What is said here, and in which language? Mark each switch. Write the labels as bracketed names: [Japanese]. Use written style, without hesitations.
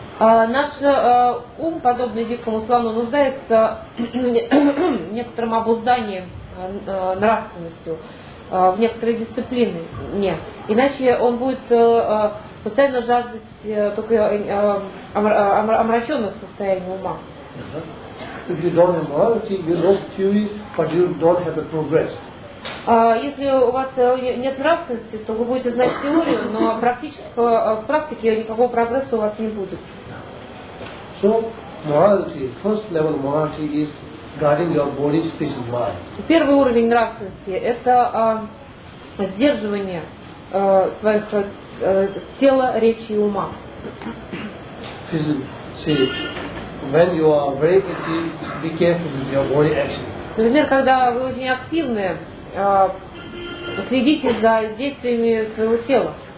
[Russian] Наш ум подобный дикому слону нуждается некоторым обузданием нравственностью, в некоторой дисциплине. Не, иначе он будет постоянно жаждать только омраченных состояний ума. [English] If you don't have morality, you lost theory, but you don't have a progress. [Russian] Если у вас нет нравственности, то вы будете знать теорию, но в практике никакого прогресса у вас не будет. [English] So, morality, first level morality is guarding your body, speech and mind. [Russian] Первый уровень нравственности – это сдерживание своих тела, речи и ума. [English] When you are very active, be careful with your body action. [Russian] Например, когда вы очень активны, следите за действиями своего тела.